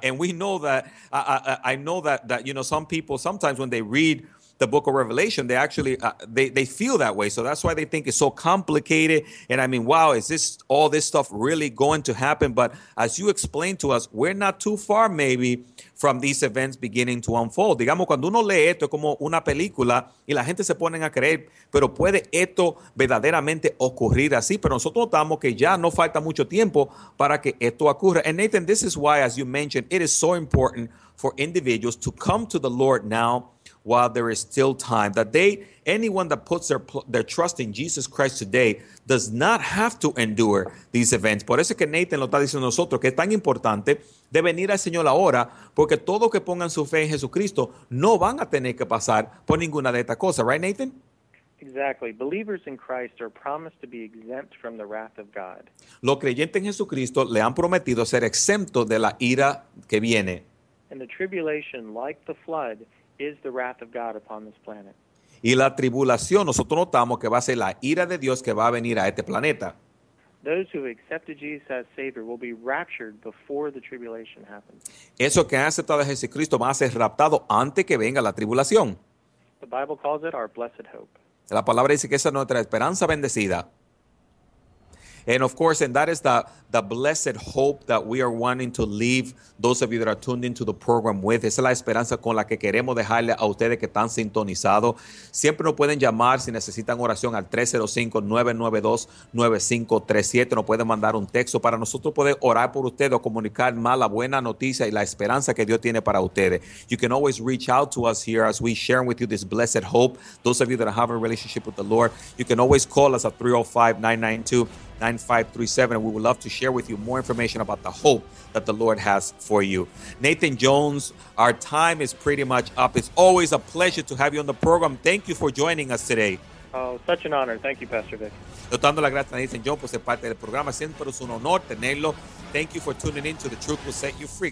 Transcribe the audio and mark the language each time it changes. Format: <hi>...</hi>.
<en>And we know that, I know that, you know, some people sometimes when they read the book of Revelation, they actually, they feel that way. So that's why they think it's so complicated. And I mean, wow, is this all this stuff really going to happen? But as you explained to us, we're not too far maybe from these events beginning to unfold.</en> <es>Digamos, cuando uno lee esto es como una película y la gente se pone a creer, pero puede esto verdaderamente ocurrir así. Pero nosotros notamos que ya no falta mucho tiempo para que esto ocurra.</es> <en>And Nathan, this is why, as you mentioned, it is so important for individuals to come to the Lord now while there is still time. That they, anyone that puts their trust in Jesus Christ today, does not have to endure these events.</en> <es>Por eso es que Nathan lo está diciendo a nosotros, que es tan importante de venir al Señor ahora, porque todos que pongan su fe en Jesucristo no van a tener que pasar por ninguna de estas cosas.</es> <en>Right, Nathan? Exactly. Believers in Christ are promised to be exempt from the wrath of God.</en> <es>Los creyentes en Jesucristo le han prometido ser exentos de la ira que viene.</es> <en>And the tribulation, like the flood, is the wrath of God upon this planet.</en> <es>Y la tribulación, nosotros notamos que va a ser la ira de Dios que va a venir a este planeta.</es> <en>Those who have accepted Jesus as Savior will be raptured before the tribulation happens.</en> <es>Esos que han aceptado a Jesucristo van a ser raptados antes que venga la tribulación.</es> <en>The Bible calls it our blessed hope.</en> <es>La palabra dice que esa es nuestra esperanza bendecida.</es> <en>And of course, and that is the blessed hope that we are wanting to leave those of you that are tuned into the program with.</en> <es>Esa es la esperanza con la que queremos dejarle a ustedes que están sintonizados. Siempre nos pueden llamar si necesitan oración al 305-992-9537. Nos pueden mandar un texto para nosotros poder orar por ustedes o comunicar más la buena noticia y la esperanza que Dios tiene para ustedes.</es> <en>You can always reach out to us here as we share with you this blessed hope. Those of you that have a relationship with the Lord, you can always call us at 305-992-9537, and we would love to share with you more information about the hope that the Lord has for you. Nathan Jones, our time is pretty much up. It's always a pleasure to have you on the program. Thank you for joining us today. Oh, such an honor. Thank you, Pastor Vic.</en> <es>Dando las gracias a Nathan Jones por ser parte del programa. Siempre es un honor tenerlo.</es> <en>Thank you for tuning in to The Truth Will Set You Free.</en>